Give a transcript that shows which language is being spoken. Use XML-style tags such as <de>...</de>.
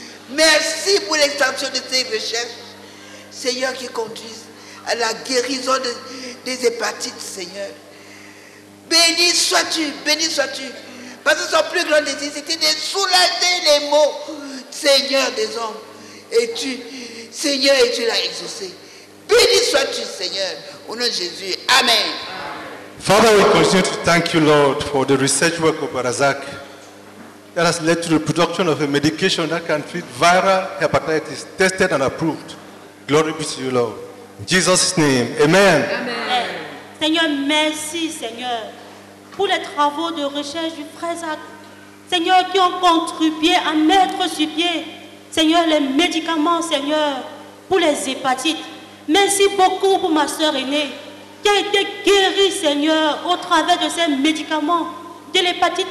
<fr>Merci pour l'extension de tes recherches, Seigneur, qui conduisent à la guérison des hépatites, Seigneur. Béni sois-tu, béni sois-tu. Parce que son plus grand désir, c'était de soulager les maux, Seigneur des hommes. Et tu, Seigneur, et tu l'as exaucé. Béni sois-tu, Seigneur, au nom de Jésus. Amen.</fr> <en>Father, we continue to thank you, Lord, for the research work of Barazak that has led to the production of a medication that can treat viral hepatitis, tested and approved. Glory be to you, Lord. In Jesus' name, amen. Amen. Amen.</en> <fr>Seigneur, merci, Seigneur, pour les travaux de recherche du Frésac. Seigneur, qui ont contribué à mettre sur pied, Seigneur, les médicaments, Seigneur, pour les hépatites. Merci beaucoup pour ma sœur aînée, qui a été guéri, Seigneur, au travers de ces médicaments de l'hépatite.</fr>